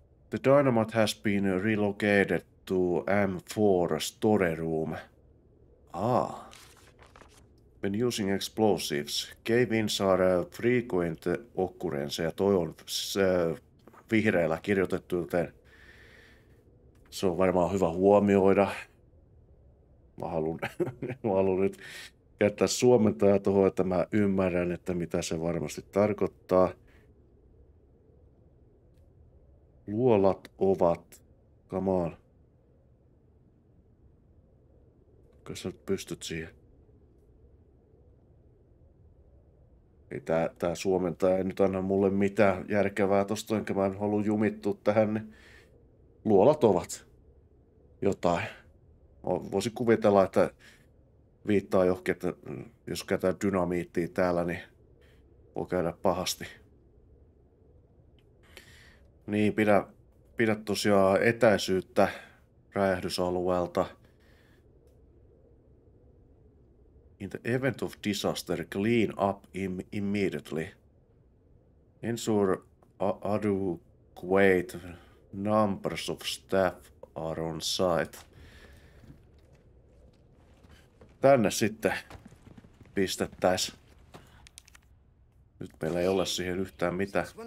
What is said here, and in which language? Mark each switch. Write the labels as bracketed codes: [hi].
[en] The dynamite has been relocated to M4 storeroom. Ah. Been using explosives. Cave-ins are frequent occurrence, [fi] ja toi on vihreällä kirjoitettu, joten se on varmaan hyvä huomioida. Mä haluan nyt käyttää suomentaja tuohon, että mä ymmärrän, että mitä se varmasti tarkoittaa. Luolat ovat, [en] come on. [fi] Kas sä nyt pystyt siihen? Ei tää suomentaja ei nyt anna mulle mitään järkevää tosta, enkä mä en halua jumittua tähän, niin luolat ovat jotain. Mä voisin kuvitella, että viittaa johonkin, että jos käytetään dynamiittia täällä, niin voi käydä pahasti. Niin, pidä tosiaan etäisyyttä räjähdysalueelta. [en] In the event of disaster, clean up immediately. Ensure adequate numbers of staff are on site. [fi] Tänne sitten pistettäis. Nyt meillä ei ole siihen yhtään mitään.